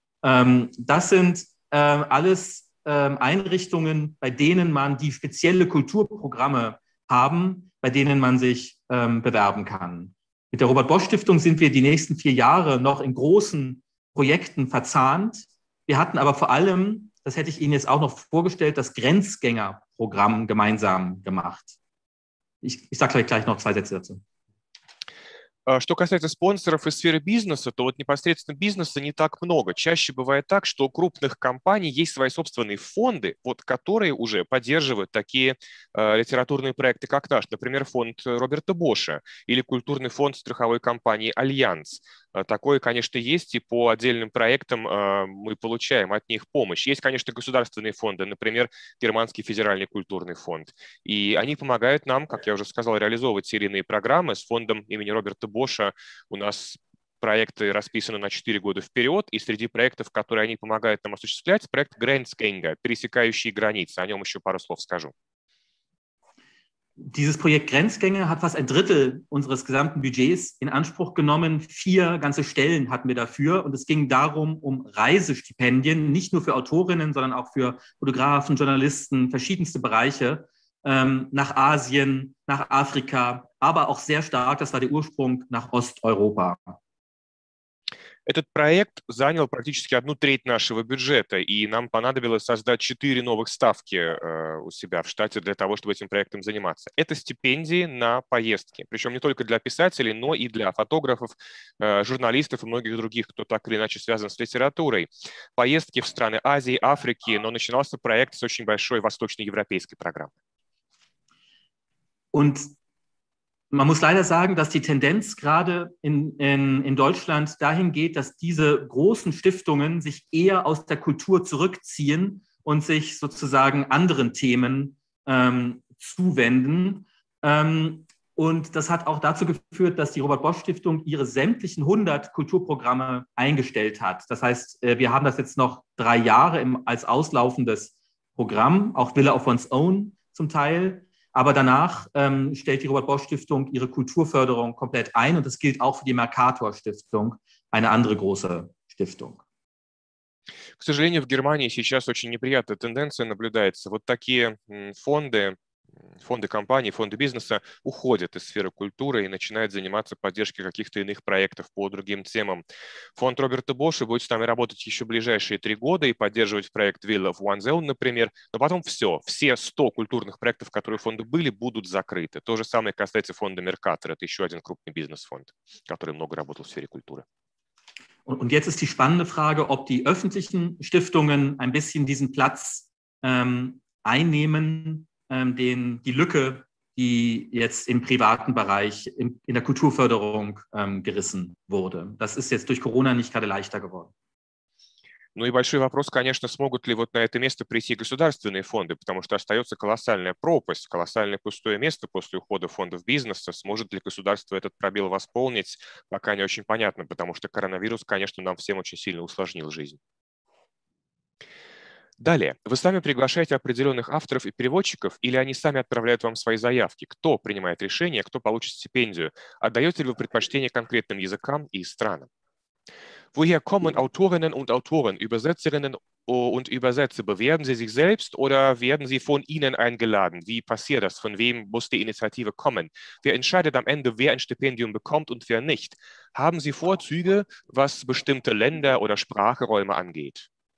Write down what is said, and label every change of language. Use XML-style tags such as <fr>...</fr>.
<de>Das sind alles Einrichtungen, bei denen man die spezielle Kulturprogramme haben, bei denen man sich bewerben kann. Mit der Robert-Bosch-Stiftung sind wir die nächsten 4 Jahre noch in großen Projekten verzahnt. Wir hatten aber vor allem, das hätte ich Ihnen jetzt auch noch vorgestellt, das Grenzgängerprogramm gemeinsam gemacht. Ich sage gleich noch 2 Sätze dazu.</de> <ru>Что касается спонсоров из сферы бизнеса, то вот непосредственно бизнеса не так много. Чаще бывает так, что у крупных компаний есть свои собственные фонды, вот, которые уже поддерживают такие литературные проекты, как наш. Например, фонд Роберта Боша или культурный фонд страховой компании «Альянс». Такое, конечно, есть, и по отдельным проектам мы получаем от них помощь. Есть, конечно, государственные фонды, например, Германский федеральный культурный фонд. И они помогают нам, как я уже сказал, реализовывать серийные программы. С фондом имени Роберта Боша у нас проекты расписаны на 4 года вперед, и среди проектов, которые они помогают нам осуществлять, проект «Grenzgänger», «Пересекающие границы». О нем еще пару слов скажу.</ru> <de>Dieses Projekt Grenzgänge hat fast ein Drittel unseres gesamten Budgets in Anspruch genommen. 4 ganze Stellen hatten wir dafür. Und es ging darum, um Reisestipendien, nicht nur für Autorinnen, sondern auch für Fotografen, Journalisten, verschiedenste Bereiche, nach Asien, nach Afrika, aber auch sehr stark, das war der Ursprung, nach Osteuropa.</de> <ru>Этот проект занял практически 1/3 нашего бюджета, и нам понадобилось создать 4 новых ставки у себя в штате для того, чтобы этим проектом заниматься. Это стипендии на поездки, причем не только для писателей, но и для фотографов, журналистов и многих других, кто так или иначе связан с литературой. Поездки в страны Азии, Африки, но начинался проект с очень большой восточноевропейской программы.</ru> <de>Man muss leider sagen, dass die Tendenz gerade in Deutschland dahin geht, dass diese großen Stiftungen sich eher aus der Kultur zurückziehen und sich sozusagen anderen Themen zuwenden. Und das hat auch dazu geführt, dass die Robert-Bosch-Stiftung ihre sämtlichen 100 Kulturprogramme eingestellt hat. Das heißt, wir haben das jetzt noch 3 Jahre als auslaufendes Programm, auch Villa of One's Own zum Teil. Aber danach stellt die Robert-Bosch-Stiftung ihre Kulturförderung komplett ein und das gilt auch für die Mercator-Stiftung, eine andere große Stiftung.</de> <ru>К сожалению, в Германии сейчас очень неприятная тенденция наблюдается. Вот такие фонды компаний, фонды бизнеса уходят из сферы культуры и начинают заниматься поддержкой каких-то иных проектов по другим темам. Фонд Роберта Боша будет с нами работать еще ближайшие 3 года и поддерживать проект Villa of One's Own, например. Но потом все 100 культурных проектов, которые у фонда были, будут закрыты. То же самое касается фонда Mercator. Это еще один крупный бизнес-фонд, который много работал в сфере культуры.</ru> <de>Und jetzt ist die spannende Frage, ob die öffentlichen Stiftungen ein bisschen diesen Platz einnehmen, die Lücke, die jetzt im privaten Bereich, in der Kulturförderung gerissen wurde. Das ist jetzt durch Corona nicht gerade leichter geworden.</de> <ru>Ну и большой вопрос, конечно, смогут ли вот на это место прийти государственные фонды, потому что остается колоссальная пропасть, колоссальное пустое место после ухода фондов бизнеса. Сможет ли государство этот пробел восполнить, пока не очень понятно, потому что коронавирус, конечно, нам всем очень сильно усложнил жизнь. Далее. Вы сами приглашаете определенных авторов и переводчиков, или они сами отправляют вам свои заявки? Кто принимает решение, кто получит стипендию? Отдаете ли вы предпочтение конкретным языкам и странам?</ru> <de>Woher kommen Autorinnen und Autoren, Übersetzerinnen und Übersetzer? Bewerben Sie sich selbst oder werden Sie von Ihnen eingeladen? Wie passiert das? Von wem muss die Initiative kommen? Wer entscheidet am Ende, wer ein Stipendium bekommt und wer nicht? Haben Sie Vorzüge, was bestimmte Länder oder Spracheräume angeht?</de>